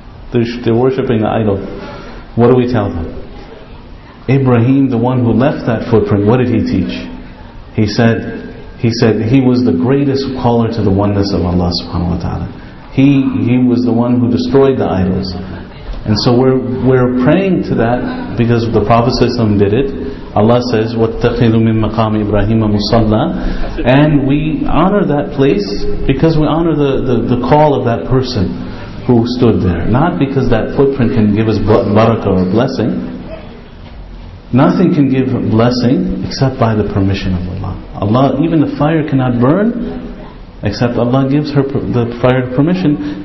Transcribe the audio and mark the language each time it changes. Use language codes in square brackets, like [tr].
[en] They're worshipping an idol. What do we tell them? Ibrahim, the one who left that footprint, what did he teach? He said he was the greatest caller to the oneness of Allah subhanahu wa ta'ala. He was the one who destroyed the idols. And so we're praying to that because the Prophet ﷺ did it. Allah says, [ar] وَاتَّخِذُ مِن مَقَامِ إِبْرَاهِيمَ مُصَلَّى. [en] And we honor that place because we honor the call of that person who stood there. Not because that footprint can give us barakah or blessing. Nothing can give blessing except by the permission of Allah. Allah, even the fire cannot burn except Allah gives her the fire permission.